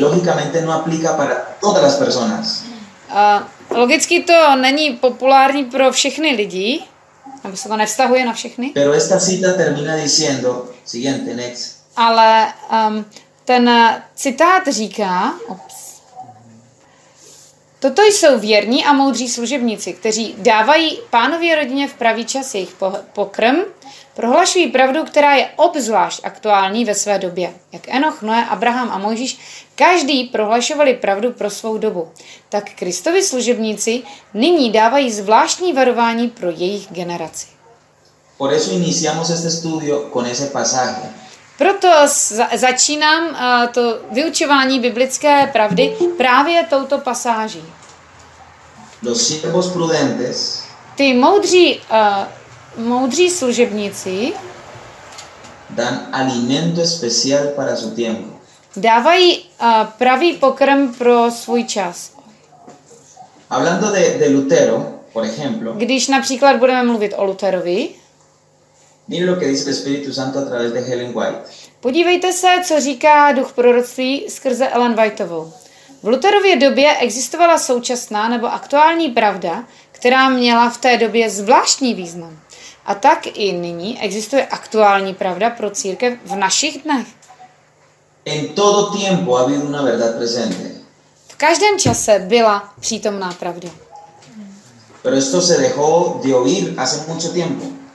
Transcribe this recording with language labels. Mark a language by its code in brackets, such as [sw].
[es] Logicamente no aplica para todas las personas. [cs] Logicky to není populární pro všechny lidi, nebo se to nevztahuje na všechny. [es] Pero esta cita termina diciendo, siguiente, next. [cs] Ale ten citát říká, toto jsou věrní a moudří služebníci, kteří dávají pánově rodině v pravý čas jejich pokrm, prohlašují pravdu, která je obzvlášť aktuální ve své době. Jak Enoch, Noé, Abraham a Mojžíš, každý prohlašovali pravdu pro svou dobu. Tak Kristovi služebníci nyní dávají zvláštní varování pro jejich generaci. [es] Por eso iniciamos este estudio con ese pasaje. [cs] Proto začínám to vyučování biblické pravdy právě touto pasáží. [es] Los siervos prudentes. [cs] Ty moudří moudří služebníci [es] dan alimento especial para su tiempo. [cs] Dávají pravý pokrm pro svůj čas. [es] Hablando de Lutero, por ejemplo. [cs] Když například budeme mluvit o Luterovi. [es] Mire lo que dice el Espíritu Santo a través de Helen White. [cs] Podívejte se, co říká duch proroctví skrze Ellen Whiteovou. V Luterově době existovala současná nebo aktuální pravda, která měla v té době zvláštní význam. A tak i nyní existuje aktuální pravda pro církev v našich dnech. [es] En todo tiempo ha habido una verdad presente. [cs] V každém čase byla přítomná pravda. [es] Pero esto se dejó de oír hace mucho tiempo.